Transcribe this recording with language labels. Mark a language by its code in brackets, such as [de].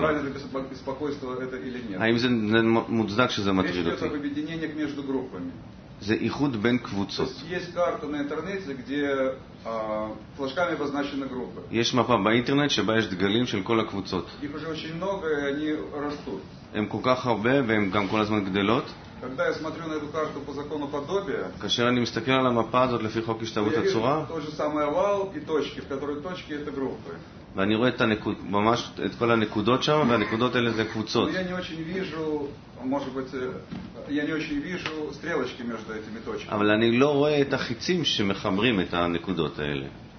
[ru] Правильно ли беспокойство это или нет? А им же муздак, что за матрицу. Это объединение между группами. [he] זה איחוד בין קבוצות. [ru] Есть карта на интернете, где флажками обозначены группы. [he] יש מפה באינטרנט שבה יש דגלים של כל הקבוצות. [ru] Их уже очень много, и они растут. [he] הם כל כך הרבה והם גם כל הזמן גדלות. [ru] Когда я смотрю на эту карту по закону подобия, [he] כאשר אני מסתכל על המפה הזאת לפי חוק השתוות הצורה, [ru] то же самое овал и точки, в которой точки это группы. [he] ואני רואה את הנקוד, ממש את כל הנקודות שם, והנקודות האלה זה קבוצות. [ru] Я не очень вижу, может быть, я не очень вижу стрелочки между этими точками. [he] אבל אני לא רואה את החיצים שמחברים את הנקודות האלה.